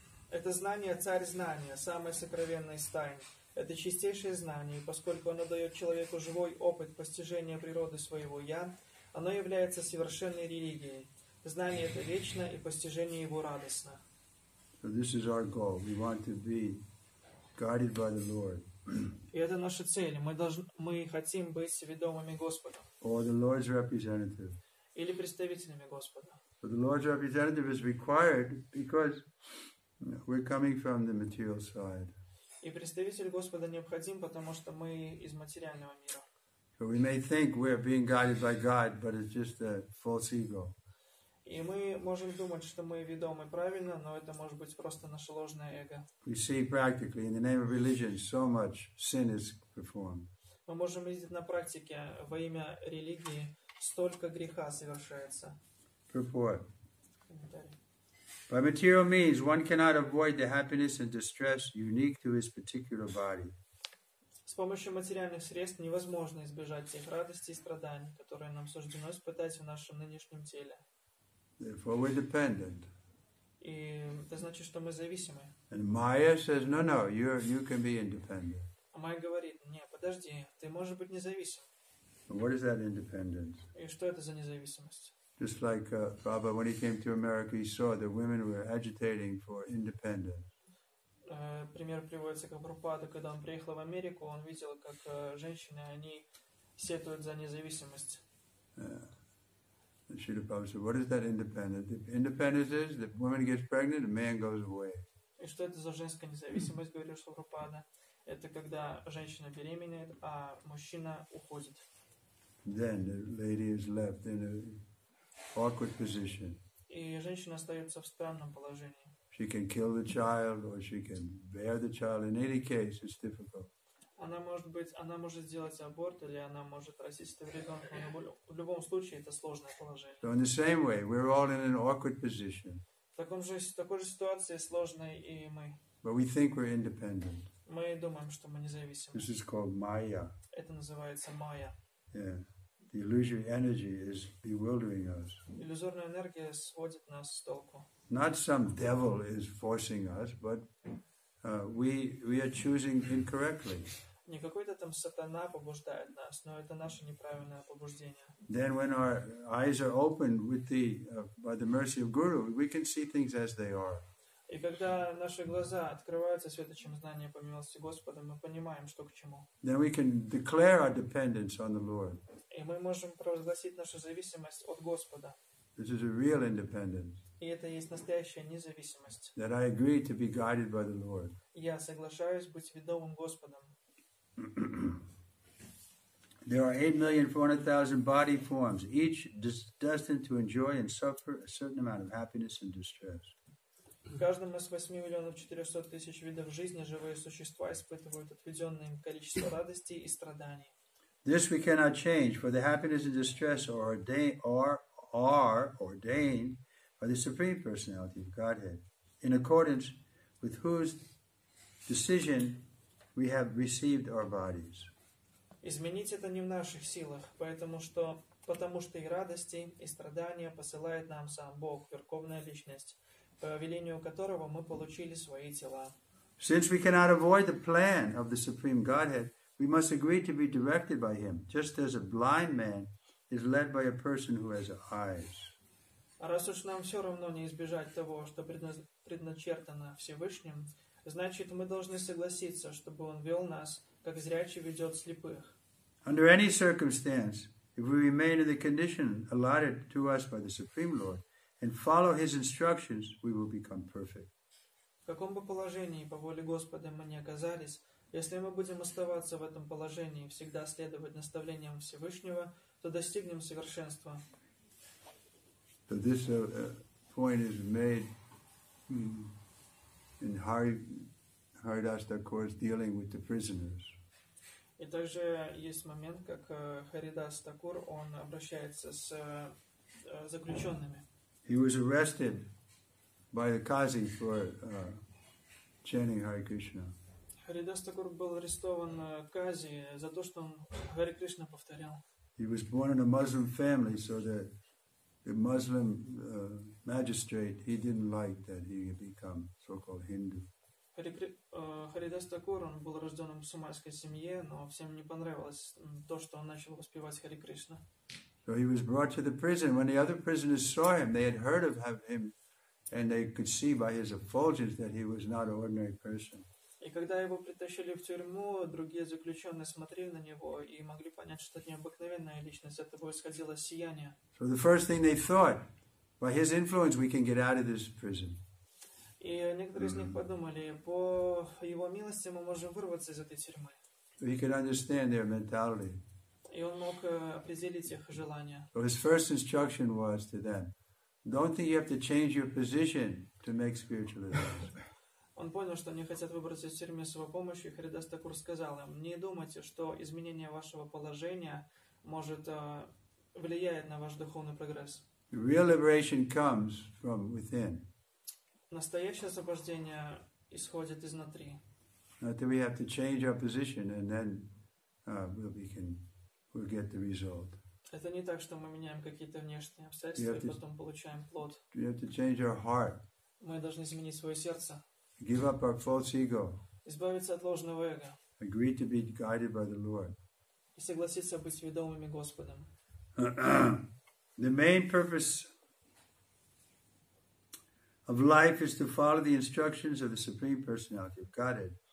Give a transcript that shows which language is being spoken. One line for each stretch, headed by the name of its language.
Russian: Это знание, царь знания, самый сокровенный стайн. Это чистейшее знание, и поскольку оно дает человеку живой опыт постижения природы своего «я», оно является совершенной религией. Знание это вечно, и постижение его радостно.
English: So this is our goal. We want to be guided by the Lord.
Russian: И это наша цель. Мы хотим быть ведомыми Господом.
English: Or the Lord's representative.
Russian: Или представителями Господа.
English: But the Lord's representative is required because we're coming from the material side.
Russian: И представитель Господа необходим, потому что мы из материального мира.
English: So we may think we're being guided by God, but it's just a false ego.
Russian: И мы можем думать, что мы ведомы правильно, но это может быть просто наше ложное эго.
English: We see practically in the name of religion so much sin is performed.
Russian: Мы можем видеть на практике во имя религии столько греха совершается.
English: Purport. By material means, one cannot avoid the happiness and distress unique to his particular body.
Russian: С помощью материальных средств невозможно избежать тех радостей и страданий, которые нам суждено испытать в нашем нынешнем теле.
English: Therefore, we're dependent.
Russian: И это значит, что мы зависимы.
English: And Maya says, "No, you can be independent."
Russian: А Майя говорит: "Не, подожди, ты можешь быть независим."
English: What is that independence?
Russian: И что это за независимость?
English: Just like Prabhupada, when he came to America, he saw that women were agitating for independence.
Russian: Пример приводится, как Прабхупада, когда он приехал в Америку, он видел, как женщины, они сетуют за независимость.
English: Yeah. And Srila Prabhupada said, what is that independence? The independence is that woman gets pregnant, a man goes away.
Russian: И что это за женская независимость, говорил Прабхупада? Это когда женщина беременеет, а мужчина уходит.
English: Then the lady is left in a awkward position.
Russian: И женщина остается в странном положении.
English: She can kill the child, or she can bear the child. In any case, it's difficult.
Russian: Она может сделать аборт, или она может растить этого ребенка. Но в любом случае, это сложное положение.
English: So in the same way, we're all in an awkward position.
Russian: В такой же ситуации сложной и мы.
English: But we think we're independent.
Russian: Мы думаем, что мы независимы.
English: This is called Maya.
Russian: Это называется Maya.
English: Yeah. The illusory energy is bewildering us.
Russian: Иллюзорная энергия сводит нас с толку.
English: Not some devil is forcing us, but we are choosing incorrectly.
Russian: Не какой-то там сатана побуждает нас, но это наше неправильное побуждение.
English: Then when our eyes are opened with the by the mercy of Guru, we can see things as they are.
Russian: И когда наши глаза открываются светочем знания по милости Господа, мы понимаем, что к чему.
English: Then we can declare our dependence on the Lord.
Russian: И мы можем провозгласить нашу зависимость от Господа.
English: This is a real independence.
Russian: И это есть настоящая независимость.
English: That I agree to be guided by the Lord.
Russian: Я соглашаюсь быть ведомым Господом.
English: There are 8,400,000 body forms, each destined to enjoy and suffer a certain amount of happiness and distress.
Russian: В каждом из 8,400,000 видов жизни живые существа испытывают отведенное им количество радостей и страданий.
English: This we cannot change, for the happiness and distress are ordained by the Supreme Personality of Godhead, in accordance with whose decision we have received our bodies.
Russian: Изменить это не в наших силах, потому что и радости, и страдания посылает нам сам Бог, Верховная Личность, по велению которого мы получили свои тела.
English: Since we cannot avoid the plan of the Supreme Godhead, we must agree to be directed by Him, just as a blind man is led by a person who has eyes.
Russian: Раз уж нам все равно не избежать того, что предначертано Всевышним, значит, мы должны согласиться, чтобы Он вел нас, как зрячий ведет слепых.
English: Under any circumstance, if we remain in the condition allotted to us by the Supreme Lord and follow His instructions, we will become perfect.
Russian: В каком бы положении по воле Господа мы ни оказались, если мы будем оставаться в этом положении и всегда следовать наставлениям Всевышнего, то достигнем совершенства.
English: So this point is made in Haridas Thakur's dealing with the prisoners.
Russian: И также есть момент, как Харидас Такур, он обращается с заключенными.
English: He was arrested by the Qazi for chanting Hare Krishna.
Russian: Харидас Такур был арестован Qazi за то, что он Hare Krishna повторял.
English: He was born in a Muslim family, so that the Muslim magistrate, he didn't like that he had become so-called Hindu.
Russian: Харидас Такур, он был рожден в мусульманской семье, но всем не понравилось то, что он начал воспевать Харе Кришна.
English: So he was brought to the prison. When the other prisoners saw him, they had heard of him, and they could see by his effulgence that he was not an ordinary person.
Russian: И когда его притащили в тюрьму, другие заключенные смотрели на него и могли понять, что это необыкновенная личность, от этого исходило сияние.
English: So the first thing they thought, by his influence we can get out of this prison.
Russian: И некоторые из них подумали, по его милости мы можем вырваться из этой тюрьмы.
English: He could understand their mentality.
Russian: И он мог определить их желания.
English: So his first instruction was to them, don't think you have to change your position to make spiritual advance.
Russian: Он понял, что они хотят выбраться из тюрьмы с его помощью, и Харидас Такур сказал им, не думайте, что изменение вашего положения может влиять на ваш духовный прогресс.
English: Real liberation comes from within.
Russian: Настоящее освобождение исходит изнутри.
English: Not that we have to change our position and then we'll get the result.
Russian: Это не так, что мы меняем какие-то внешние обстоятельства и потом получаем плод.
English: We have to change our heart.
Russian: Мы должны изменить свое сердце.
English: Give up our false ego.
Russian: Избавиться от ложного эго.
English: Agree to be guided by the Lord.
Russian: И согласиться быть ведомыми Господом.
English: The main purpose of life is to follow the instructions of the Supreme Personality of Godhead.